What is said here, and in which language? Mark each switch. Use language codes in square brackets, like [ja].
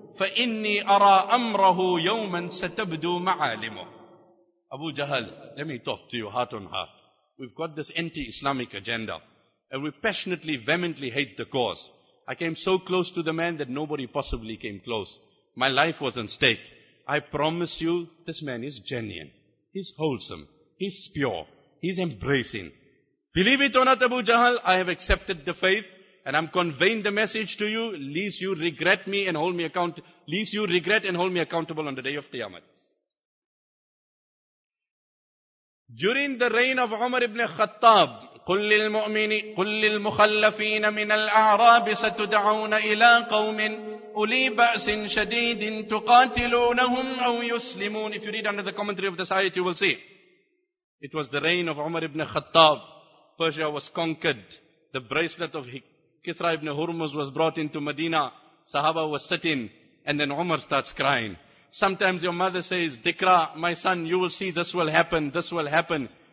[ar] فإني أرى أمره يوما ستبدو معالمه. [en] Abu Jahl, let me talk to you heart on heart. We've got this anti-Islamic agenda. And we passionately, vehemently hate the cause. I came so close to the man that nobody possibly came close. My life was on stake. I promise you, this man is genuine. He's wholesome. He's pure. He's embracing. Believe it or not, Abu Jahl, I have accepted the faith. And I'm conveying the message to you, lest you regret and hold me accountable on the day of Qiyamah. During the reign of Umar ibn Khattab, [ar] قل للمخلفين من الأعراب ستدعون إلى قوم أولي بأس شديد تقاتلونهم أو يسلمون. [en] If you read under the commentary of this ayat, you will see. It was the reign of Umar ibn Khattab. Persia was conquered. The bracelet of Kisra ibn Hurmuz was brought into Medina. Sahaba was sitting. And then Umar starts crying. Sometimes your mother says, Dikra, my son, you will see this will happen, this will happen.